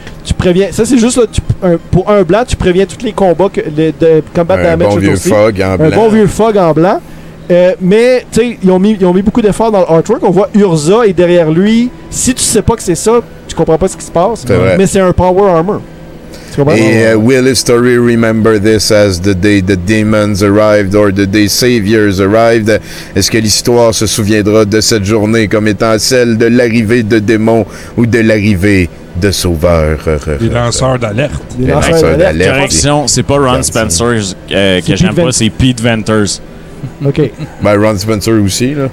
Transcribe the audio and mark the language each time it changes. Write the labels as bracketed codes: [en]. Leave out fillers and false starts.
[fr] Tu préviens, ça c'est juste là, pour un blanc, tu préviens tous les combats que de combat de la Un bon vieux fog en blanc. Mais tu sais, ils ont mis beaucoup d'efforts dans l'artwork. On voit Urza et derrière lui, si tu sais pas que c'est ça, tu comprends pas ce qui se passe. C'est mais c'est un Power Armor. [en] Et will history remember this as the day the demons arrived or the day saviors arrived? [fr] Est-ce que l'histoire se souviendra de cette journée comme étant celle de l'arrivée de démons ou de l'arrivée de sauveurs? Des lanceurs d'alerte. Des lanceurs d'alerte. Correction, c'est pas Ron Spencer que j'aime pas, c'est Pete Venters. OK. Ben Ron Spencer aussi, là.